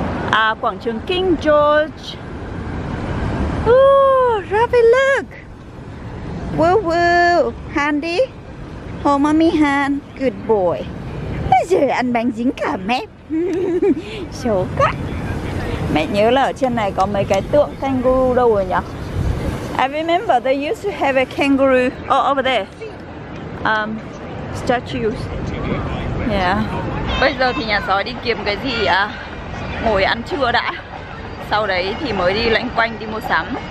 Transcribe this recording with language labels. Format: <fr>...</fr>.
<vi>À, quảng trường King George.</vi> <en>Ooh, Ravi, look. Woo woo. Handy. Hold mommy hand. Good boy.</en> <vi>Bây giờ ăn bánh dính cả mép. Số quá. Mẹ nhớ là ở trên này có mấy cái tượng kangaroo đâu rồi nhỉ?</vi> <en>I remember they used to have a kangaroo over there. Statues. Yeah.</en> <vi>Bây giờ thì nhà sói đi kiếm cái gì à? Ngồi ăn trưa đã. Sau đấy thì mới đi loanh quanh đi mua sắm.</vi>